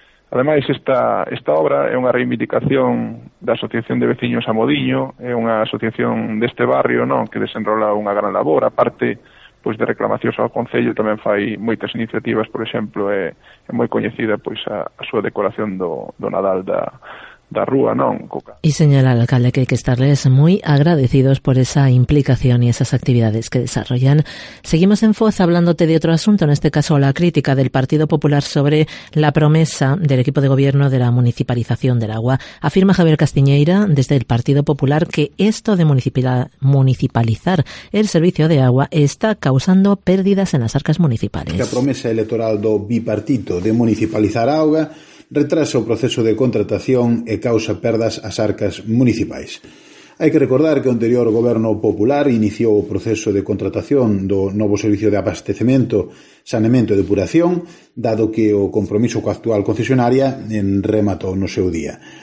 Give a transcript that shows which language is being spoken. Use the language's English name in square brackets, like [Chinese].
[Galician] Ademais esta obra é unha reivindicación da Asociación de Veciños Amodiño, é unha asociación deste barrio, non, que desenrola unha gran labor, aparte pois de reclamacións ao concello tamén fai moitas iniciativas, por exemplo, é moi coñecida pois a súa decoración do Nadal da rúa, non, Coca. [Spanish] Y señala al alcalde que hay que estarles muy agradecidos por esa implicación y esas actividades que desarrollan. Seguimos en Foz hablándote de otro asunto, en este caso la crítica del Partido Popular sobre la promesa del equipo de gobierno de la municipalización del agua. Afirma Javier Castiñeira desde el Partido Popular que esto de municipalizar el servicio de agua está causando pérdidas en las arcas municipales. [Galician] La promesa electoral do bipartito de municipalizar agua retrasa o proceso de contratación e causa perdas ás arcas municipais. Hai que recordar que o anterior Goberno Popular iniciou o proceso de contratación do novo servicio de abastecemento, saneamento e depuración, dado que o compromiso coa actual concesionaria rematou no seu día.